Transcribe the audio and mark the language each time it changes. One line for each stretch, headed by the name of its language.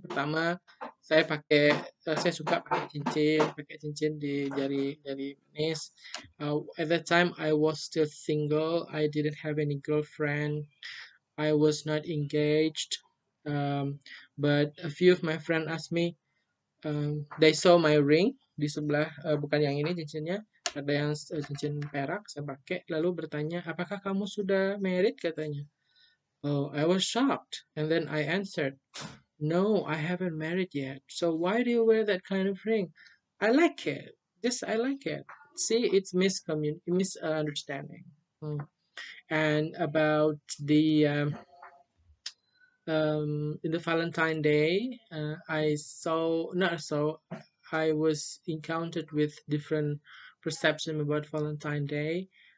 Indonesian: Pertama, saya suka pakai cincin di jari manis.
English: At that time, I was still single. I didn't have any girlfriend. I was not engaged. But a few of my friend asked me. They saw my ring
Indonesian: di sebelah, bukan yang ini cincinnya. Ada yang cincin perak saya pakai. Lalu bertanya, apakah kamu sudah married? Katanya.
English: Oh, I was shocked. And then I answered, no, I haven't married yet. So why do you wear that kind of ring? I like it. Just I like it. See, it's misunderstanding. And about the in the Valentine Day, I was encountered with different perception about Valentine Day.